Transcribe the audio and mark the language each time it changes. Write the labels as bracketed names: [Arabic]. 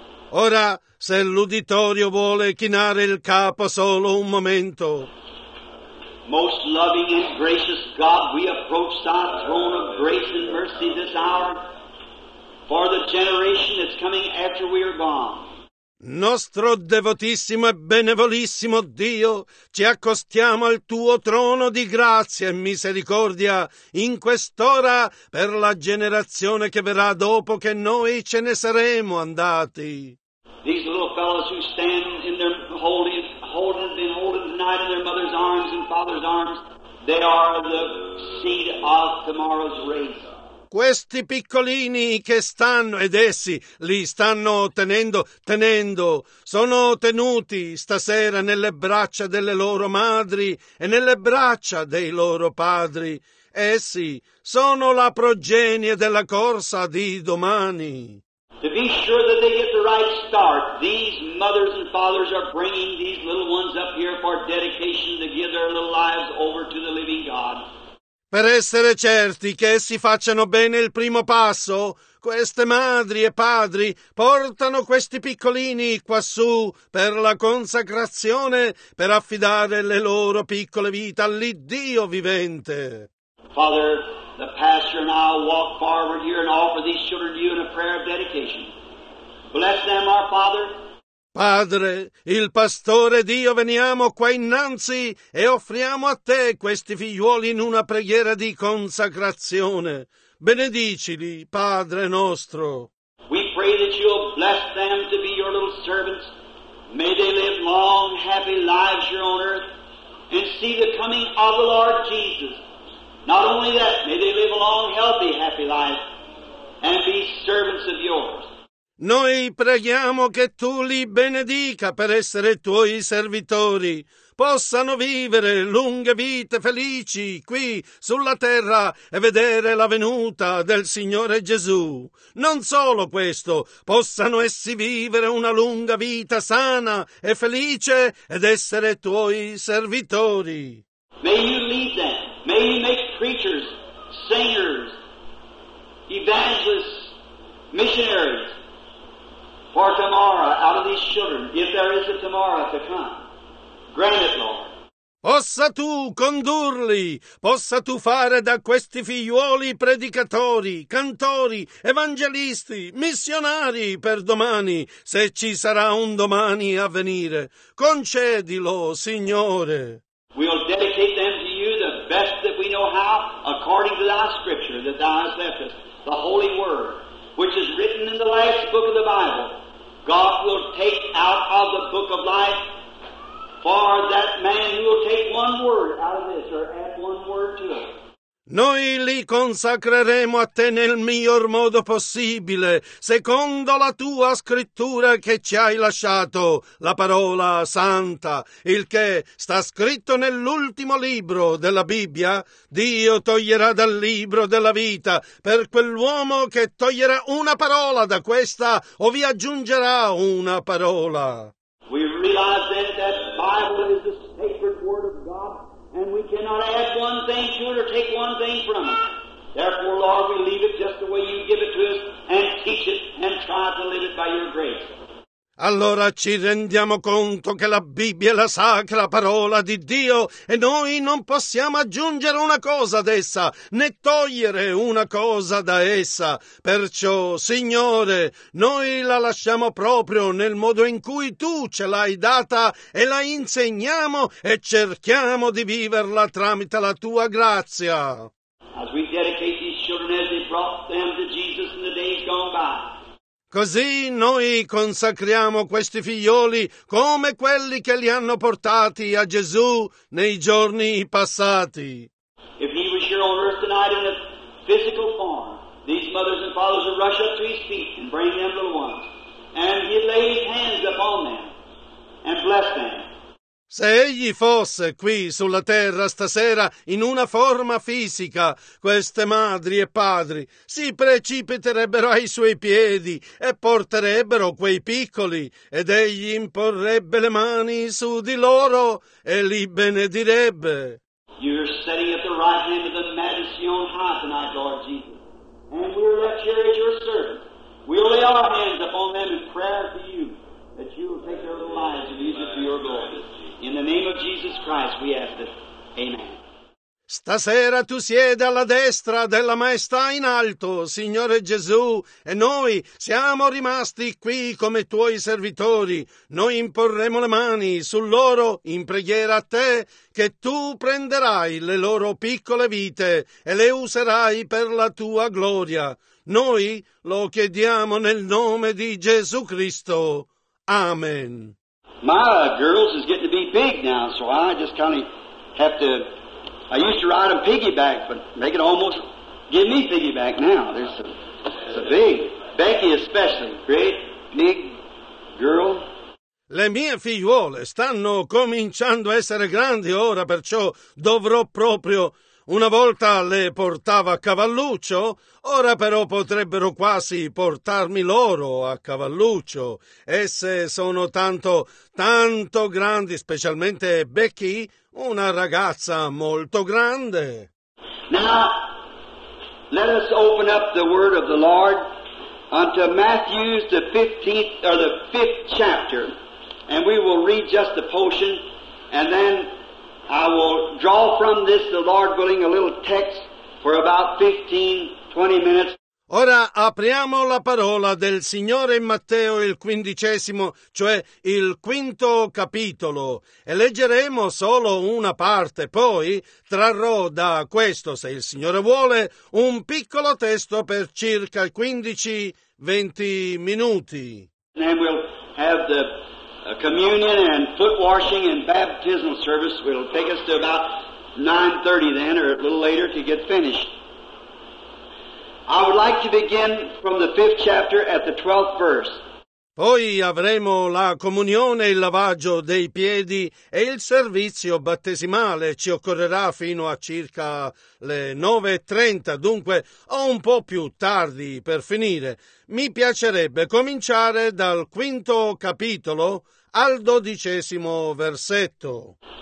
[Italian] Ora, se l'uditorio vuole chinare il capo solo un momento. [English] Most loving and gracious God, we approach thy throne of grace and mercy this hour for the generation that's coming after we are gone. [Italian] Nostro devotissimo e benevolissimo Dio, ci accostiamo al tuo trono di grazia e misericordia in quest'ora per la generazione che verrà dopo che noi ce ne saremo andati. [English] These little fellows who stand in their holding tonight in their mother's arms and father's arms, they are the seed of tomorrow's race. [Italian] Questi piccolini che stanno, ed essi li stanno tenendo, sono tenuti stasera nelle braccia delle loro madri e nelle braccia dei loro padri. Essi sono la progenie della corsa di domani. [English] To be sure that they get the right start, these mothers and fathers are bringing these little ones up here for dedication to give their little lives over to the living God. [Italian] Per essere certi che essi facciano bene il primo passo, queste madri e padri portano questi piccolini quassù per la consacrazione, per affidare le loro piccole vite all'Iddio vivente. [English] Father, the pastor and I walk forward here and offer these children to you in a prayer of dedication. Bless them, our Father. [Italian] Padre, il pastore ed io veniamo qua innanzi e offriamo a te questi figliuoli in una preghiera di consacrazione. Benedicili, Padre nostro. [English] We pray that you'll bless them to be your little servants. May they live long, happy lives here on earth and see the coming of the Lord Jesus. Not only that, may they live a long, healthy, happy life and be servants of yours. [Italian] Noi preghiamo che tu li benedica per essere tuoi servitori. Possano vivere lunghe vite felici qui sulla terra e vedere la venuta del Signore Gesù. Non solo questo, possano essi vivere una lunga vita sana e felice ed essere tuoi servitori. [English] May you lead them. May you make preachers, singers, evangelists, missionaries. For tomorrow, out of these children, if there is a tomorrow to come, grant it, Lord. [Italian] Possa tu condurli, possa tu fare da questi figliuoli predicatori, cantori, evangelisti, missionari per domani, se ci sarà un domani a venire. Concedilo, Signore. [English] We'll dedicate them to you the best that we know how, according to thy scripture that thou hast left us, the Holy Word, which is written in the last book of the Bible. God will take out of the book of life for that man who will take one word out of this or add one word to it. [Italian] Noi li consacreremo a te nel miglior modo possibile, secondo la tua scrittura che ci hai lasciato, la parola santa, il che sta scritto nell'ultimo libro della Bibbia. Dio toglierà dal libro della vita per quell'uomo che toglierà una parola da questa o vi aggiungerà una parola. [English] We realize that the Bible is the sacred word of God. And we cannot add one thing to it or take one thing from it. Therefore, Lord, we leave it just the way you give it to us and teach it and try to live it by your grace. [Italian] Allora ci rendiamo conto che la Bibbia è la sacra parola di Dio e noi non possiamo aggiungere una cosa ad essa, né togliere una cosa da essa. Perciò, Signore, noi la lasciamo proprio nel modo in cui Tu ce l'hai data e la insegniamo e cerchiamo di viverla tramite la Tua grazia. [English] As we dedicate these children as they brought them to Jesus in the days gone by. [Italian] Così noi consacriamo questi figlioli come quelli che li hanno portati a Gesù nei giorni passati. [English] If he was here on earth tonight in a physical form, these mothers and fathers would rush up to his feet and bring them little ones. And he'd lay his hands upon them and bless them. [Italian] Se egli fosse qui sulla terra stasera in una forma fisica, queste madri e padri si precipiterebbero ai suoi piedi e porterebbero quei piccoli, ed egli imporrebbe le mani su di loro e li benedirebbe. [English] You're sitting at the right hand of the majesty on high tonight, Lord Jesus. And we'll let you as your servant. We'll lay our hands upon them in prayer to you that you will take their little lives and use it for your glory. In the name of Jesus Christ we ask this. Amen. [Italian] Stasera tu siedi alla destra della maestà in alto, Signore Gesù, e noi siamo rimasti qui come tuoi servitori. Noi imporremo le mani su loro in preghiera a te, che tu prenderai le loro piccole vite e le userai per la tua gloria. Noi lo chiediamo nel nome di Gesù Cristo. Amen. [English] My girls is getting to be big now, so I just kind of have to... I used to ride them piggyback, but they can almost give me piggyback now. There's a big, Becky especially, great, big girl. [Italian] Le mie figliuole stanno cominciando a essere grandi ora, perciò dovrò proprio... Una volta le portava a cavalluccio, ora però potrebbero quasi portarmi loro a cavalluccio. Esse sono tanto, tanto grandi, specialmente Becky, una ragazza molto grande. [English] Now, let us open up the word of the Lord unto Matthew's the 15th, or the 5th chapter, and we will read just a portion, and then... I will draw from this, the Lord willing, a little text for about 15-20 minutes. [Italian] Ora apriamo la parola del Signore in Matteo il 15, cioè il 5 capitolo, e leggeremo solo una parte. Poi trarrò da questo, se il Signore vuole, un piccolo testo per circa 15-20 minuti. [English] And we'll have the... A communion and foot washing and baptismal service will take us to about 9:30 then, or a little later, to get finished. I would like to begin from the 5th chapter at the 12th verse. [Italian] Poi avremo la comunione, il lavaggio dei piedi e il servizio battesimale. Ci occorrerà fino a circa le 9:30, dunque o un po' più tardi per finire. Mi piacerebbe cominciare dal 5 capitolo al 12 versetto.